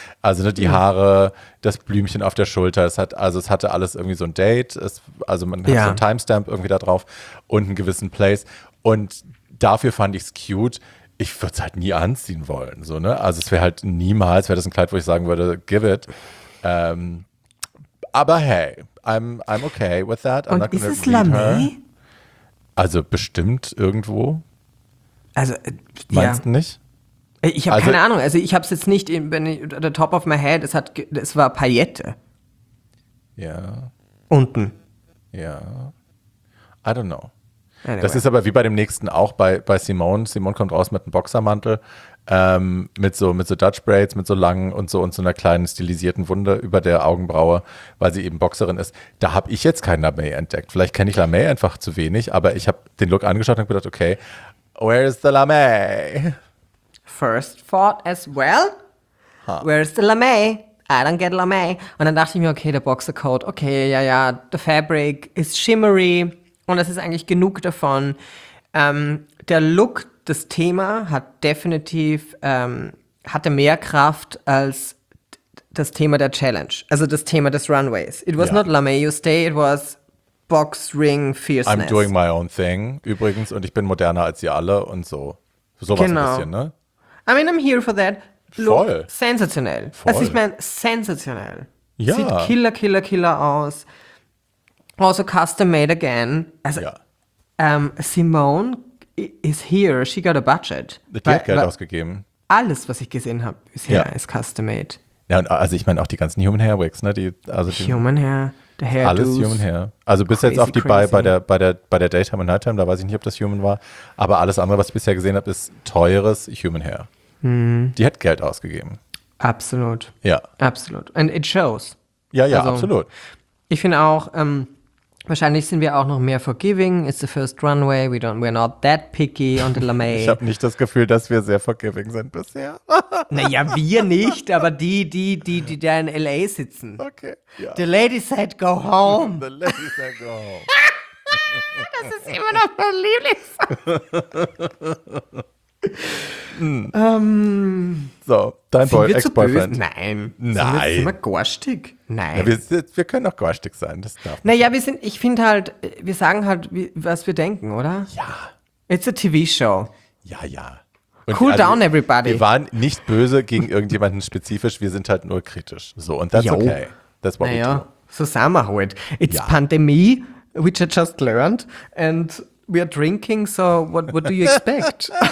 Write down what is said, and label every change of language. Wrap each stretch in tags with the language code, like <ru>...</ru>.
<de>Also ne, die Haare, das Blümchen auf der Schulter, es hatte alles irgendwie so ein Date, man hat so ein Timestamp irgendwie da drauf und einen gewissen Place. Und dafür fand ich es cute. Ich würde es halt nie anziehen wollen. So, ne? Also es wäre halt niemals, wäre das ein Kleid, wo ich sagen würde,</de> <en>give it. Aber hey, I'm okay with that.</en> <de>Und ist es Lamé? Also bestimmt irgendwo. Also, meinst du nicht? Ich habe keine Ahnung. Also ich habe es jetzt nicht,</de> <en>the top of my head,</en> <de>es war Paillette. Ja. Unten.</de> <en>Ja. I don't know. Anyway.</en> <de>Das ist aber wie bei dem nächsten auch, bei Simone. Simone kommt raus mit einem Boxermantel, mit so Dutch Braids, mit so langen und so einer kleinen stilisierten Wunde über der Augenbraue, weil sie eben Boxerin ist. Da habe ich jetzt keinen Lamé entdeckt. Vielleicht kenne ich Lamé einfach zu wenig, aber ich habe den Look angeschaut und gedacht, okay,</de> <en>where is the Lamé? First thought as well. Huh. Where is the Lamé? I don't get Lamé.</en> <de>Und dann dachte ich mir, okay, der Boxercoat, okay, ja,</de> <en>the fabric is shimmery.</en> <de>Und es ist eigentlich genug davon. Der Look, das Thema hat definitiv, hatte mehr Kraft als das Thema der Challenge. Also das Thema des Runways.</de> <en>It was not Lamé You Stay, it was Box Ring Fierceness. I'm doing my own thing,</en> <de>übrigens, und ich bin moderner als ihr alle und so. Sowas genau. Ein bisschen, ne?</de> <en>I mean, I'm here for that.</en> <de>Look, voll. Sensationell. Voll. Also ich meine, sensationell. Ja. Sieht killer, killer, killer aus. Also custom made again. Also, ja.</de> <en>Simone is here. She got a budget.</en> <de>Die hat Geld ausgegeben. Alles, was ich gesehen habe bisher, ist custom made. Ja, und also ich meine auch die ganzen Human Hair Wigs, ne? Human Hair, der Hair. Alles Human Hair. Also bis jetzt auf die bei der Daytime und Nighttime, da weiß ich nicht, ob das Human war. Aber alles andere, was ich bisher gesehen habe, ist teures Human Hair. Mhm. Die hat Geld ausgegeben. Absolut. Ja.</de> <en>Absolut. And it shows.</en> <de>Ja, also, absolut. Ich finde auch, wahrscheinlich sind wir auch noch mehr forgiving.</de> <en>It's the first runway. We're not that picky on the Lamé.</en> <de>Ich habe nicht das Gefühl, dass wir sehr forgiving sind bisher. Naja, wir nicht, aber die da in L.A. sitzen. Okay.</de> <en>Ja. The lady said go home. The lady said go home.</en> <de>Das ist immer noch mein Lieblings. So, dein Ex-Boyfriend. Nein. Sind wir gorstig? Nein. Ja, wir können auch gorstig sein, das darf man. Naja, ich finde halt, wir sagen halt, was wir denken, oder? Ja.</de> <en>It's a TV-Show.</en> <de>Ja.</de> <en>Und cool down, everybody.</en> <de>Wir waren nicht böse gegen irgendjemanden spezifisch, wir sind halt nur kritisch.</de> <en>So, und that's okay. That's what</en> <de>we do. So sind wir halt.</de> <en>It's Pandemie, which I just learned, and we are drinking, so what do you expect?</en>